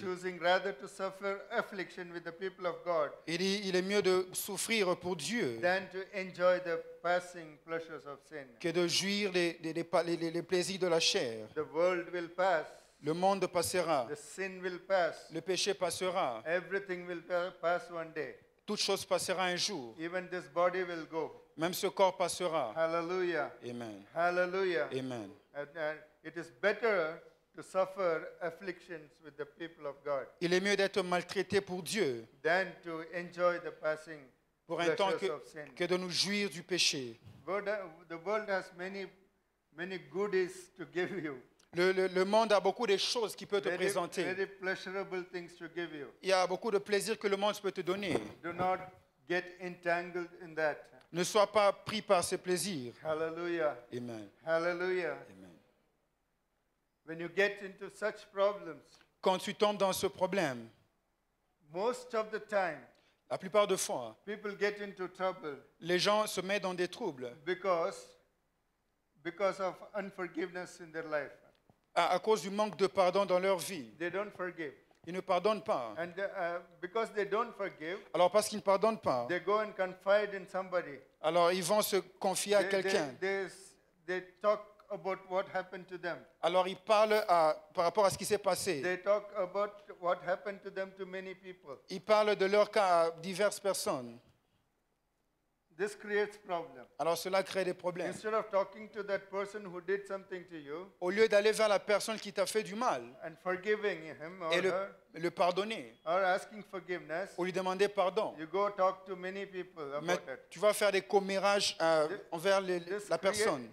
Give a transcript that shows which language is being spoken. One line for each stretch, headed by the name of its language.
English: Choosing rather to suffer affliction with the people of God.
French: Il dit, il est mieux de souffrir pour Dieu.
English: Than to enjoy the passing pleasures of sin.
French: Que de jouir les plaisirs de la chair.
English: The world will pass.
French: Le monde passera.
English: The sin will pass.
French: Le péché passera.
English: Everything will pass one day.
French: Toute chose passera un jour.
English: Even this body will go.
French: Même ce corps passera. Hallelujah. Amen. Hallelujah. Amen.
English: And it is better to suffer afflictions with the people of God.
French: Il est mieux d'être maltraité pour Dieu.
English: Than to enjoy the passing
French: pour un temps que de nous jouir du péché.
English: The world has many, many goodies to give you.
French: Le monde a beaucoup de choses qu'il peut te présenter.
English: Very pleasurable things to give you.
French: Il y a beaucoup de plaisirs que le monde peut te donner.
English: Do not get entangled in that.
French: Ne sois pas pris par ces plaisirs. Hallelujah. Amen. Hallelujah. Amen.
English: When you get into such problems,
French: quand tu tombes dans ce problème,
English: most of the time,
French: la plupart de fois,
English: people get into trouble,
French: les gens se mettent dans des troubles
English: because of unforgiveness in their life.
French: À cause du manque de pardon dans leur vie.
English: They don't forgive.
French: Ils ne pardonnent pas.
English: And because they don't forgive,
French: alors parce qu'ils ne pardonnent pas,
English: they go and confide in somebody.
French: Alors ils vont se confier à quelqu'un.
English: They talk about what happened to them.
French: Alors ils parlent par rapport à ce qui s'est passé.
English: They talk about what happened to them to many people.
French: Ils parlent de leur cas à diverses personnes.
English: This creates problems.
French: Alors cela crée des problèmes.
English: Instead of talking to that person who did something to you,
French: au lieu d'aller vers la personne qui t'a fait du mal,
English: and forgiving him or her,
French: et le pardonner,
English: or asking forgiveness,
French: ou lui demander pardon,
English: you go talk to many people about
French: mais
English: it.
French: Tu vas faire des commérages envers la personne.